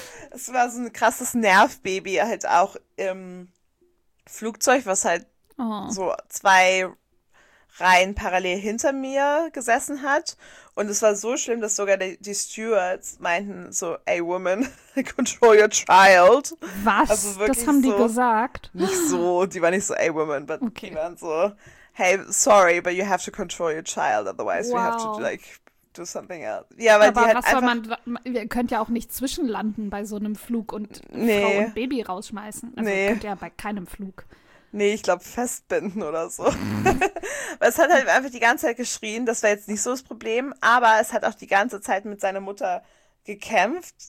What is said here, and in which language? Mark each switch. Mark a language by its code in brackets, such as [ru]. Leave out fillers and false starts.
[de] Es war so ein krasses Nervbaby halt auch im Flugzeug, was halt so 2 Reihen parallel hinter mir gesessen hat. Und es war so schlimm, dass sogar die Stewards meinten so, [en] ey, woman, control your child. [de] Was? Also das haben die so gesagt? Nicht so, die waren nicht so, [en] ey, woman, but okay. [de] Die waren so, [en] hey, sorry, but you have to control your child, otherwise we have to, like, do something else. [de] Ja, weil aber die halt was einfach soll man, ihr könnt ja auch nicht zwischenlanden bei so einem Flug und nee. Frau und Baby rausschmeißen. Also nee. Könnt ihr ja bei keinem Flug. Nee, ich glaube, festbinden oder so. Weil es hat halt einfach die ganze Zeit geschrien, das war jetzt nicht so das Problem, aber es hat auch die ganze Zeit mit seiner Mutter gekämpft.